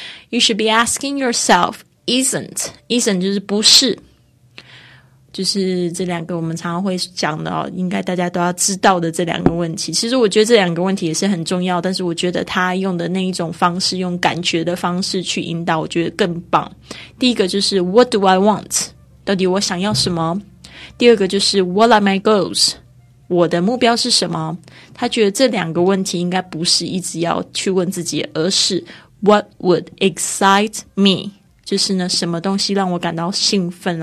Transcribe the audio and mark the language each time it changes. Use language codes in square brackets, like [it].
[en] You should be asking yourself, isn't [zh] 就是不是，就是这两个我们常常会讲的、哦、应该大家都要知道的这两个问题。其实我觉得这两个问题也是很重要，但是我觉得他用的那一种方式，用感觉的方式去引导，我觉得更棒。第一个就是 [en] What do I want? [zh] 到底我想要什么？第二个就是 [en] What are my goals? [zh] 我的目标是什么？他觉得这两个问题应该不是一直要去问自己，而是 [en] What would excite me? [zh] 就是呢，什么东西让我感到兴奋？